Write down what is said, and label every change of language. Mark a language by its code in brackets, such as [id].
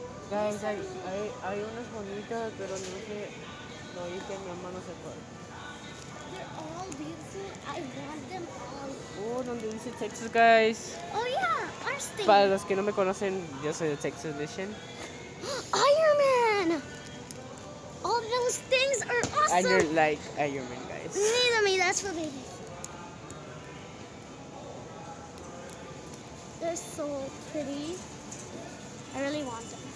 [es] Guys, hay unas bonitas, pero no sé. No dije, mi mamá no se puede. [en] They're all beautiful. I want them all. [es] Oh, donde dice Texas, guys. [en] Oh, yeah. Our state. [es] Para los que no me conocen, yo soy de Texas Mission. [en] Iron Man. All those things are awesome. And you're like Iron Man, guys. Neither me. That's for babies. They're so pretty. I really want them.